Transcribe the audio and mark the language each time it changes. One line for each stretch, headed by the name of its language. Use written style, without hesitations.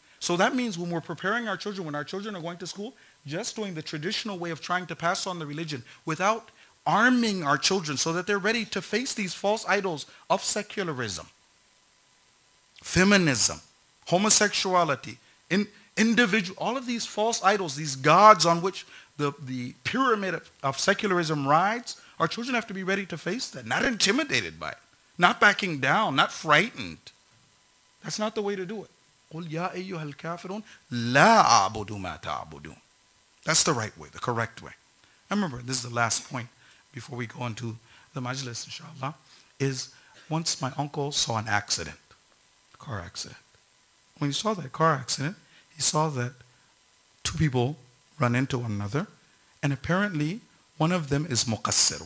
English: So that means when we're preparing our children, when our children are going to school, just doing the traditional way of trying to pass on the religion without arming our children so that they're ready to face these false idols of secularism, feminism, homosexuality, individual, all of these false idols, these gods on which the pyramid of secularism rides, our children have to be ready to face that, not intimidated by it, not backing down, not frightened. That's not the way to do it.
Arabic: قُلْ يَا أَيُّهَا الْكَافِرُونَ لَا أَعْبُدُ مَا تَعْبُدُونَ
English: That's the right way, the correct way. And remember, this is the last point before we go into the majlis, inshallah, is once my uncle saw an accident. Car accident. When he saw that car accident, he saw that two people run into one another, and apparently one of them is muqassir.